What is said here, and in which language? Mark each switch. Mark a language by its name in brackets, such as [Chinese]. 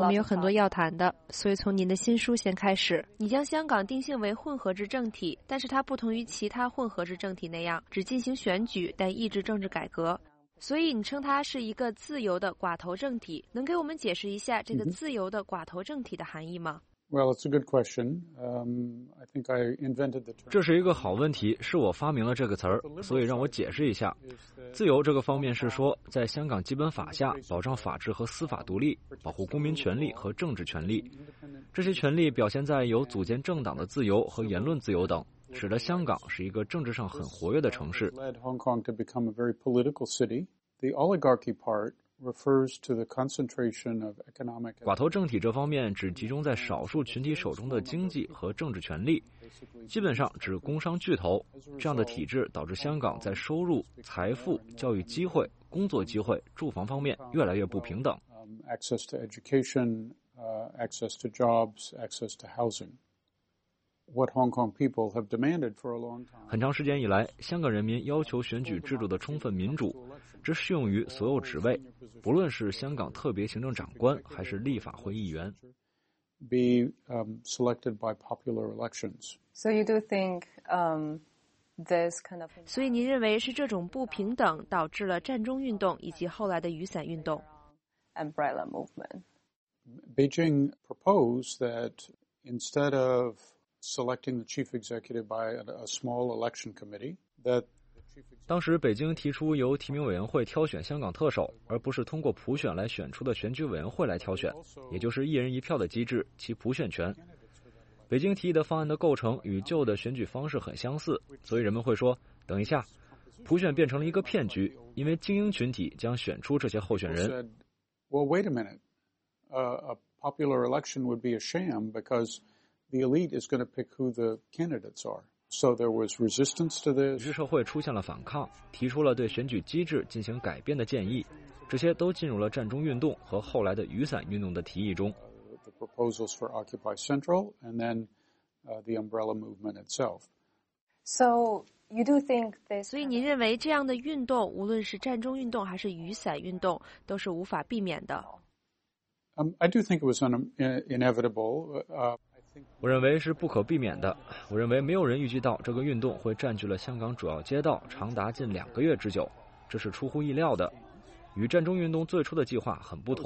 [Chinese] 我们有很多要谈的，所以从您的新书先开始。你将香港定性为混合制政体，但是它不同于其他混合制政体那样只进行选举，但抑制政治改革。所以你称它是一个自由的寡头政体，能给我们解释一下这个自由的寡头政体的含义吗？ [English] Well, it's a good question. I think I invented the term. [Chinese] 这是一个好问题，是我发明了这个词儿，所以让我解释一下。自由这个方面是说，在香港基本法下，保障法治和司法独立，保护公民权利和政治权利。这些权利表现在有组建政党的自由和言论自由等，使得香港是一个政治上很活跃的城市。 [English] Led Hong Kong to become a very political city. The oligarchy part. refers to the concentration of economic. [Chinese] 寡头政体这方面只集中在少数群体手中的经济和政治权利，基本上指工商巨头。这样的体制导致香港在收入、财富、教育机会、工作机会、住房方面越来越不平等。 [English] Access to education, access to jobs, access to housing. What Hong Kong people have demanded for a long time. [Chinese] 很长时间以来，香港人民要求选举制度的充分民主，这适用于所有职位，不论是香港特别行政长官还是立法会议员。 [English] Be selected by popular elections. So you do think this kind of. [Chinese] 所以您认为是这种不平等导致了战中运动以及后来的雨伞运动 [English] ？Umbrella movement. Beijing proposed that instead of. Selecting the chief executive by a small election committee. That [Chinese] 当时北京提出由提名委员会挑选香港特首，而不是通过普选来选出的选举委员会来挑选，也就是一人一票的机制，其普选权。北京提议的方案的构成与旧的选举方式很相似，所以人们会说：“等一下，普选变成了一个骗局，因为精英群体将选出这些候选人。” [English] Well, wait a minute. A popular election would be a sham because. The elite is going to pick who the candidates are. So there was resistance to this. [Chinese] 于是社会出现了反抗，提出了对选举机制进行改变的建议，这些都进入了战中运动和后来的雨伞运动的提议中。 [English] The proposals for Occupy Central and then the umbrella movement itself. So you do think this? [Chinese] 所以您认为这样的运动，无论是战中运动还是雨伞运动，都是无法避免的 [English] ？I do think it was inevitable. [Chinese] 我认为是不可避免的。我认为没有人预计到这个运动会占据了香港主要街道长达近两个月之久，这是出乎意料的，与战中运动最初的计划很不同。